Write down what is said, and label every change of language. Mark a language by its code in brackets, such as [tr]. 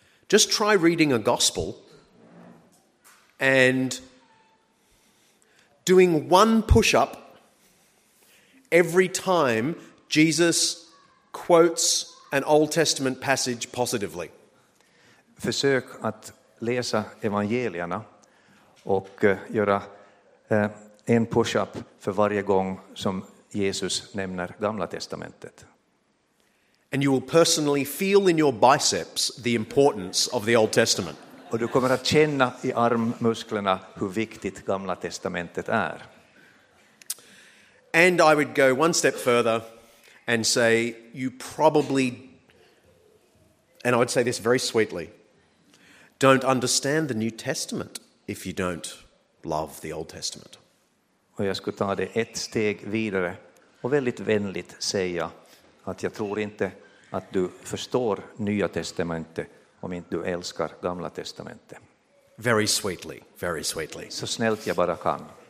[en] Just try reading a gospel and doing one push-up every time Jesus quotes an Old Testament passage positively. [sv] Försök att läsa evangelierna och göra en push-up för varje gång som Jesus nämner Gamla testamentet. [en] And you will personally feel in your biceps the importance of the Old Testament. [sv] Och du kommer att känna i armmusklerna hur viktigt Gamla testamentet är. [en] And I would go one step further and say you probably, and I would say this very sweetly, don't understand the New Testament if you don't love the Old Testament. [sv] Och jag skulle ta det ett steg vidare och väldigt vänligt säga att jag tror inte att du förstår Nya testamentet om inte du älskar Gamla testamentet. [en] Very sweetly, very sweetly. [sv] Så snällt jag bara kan.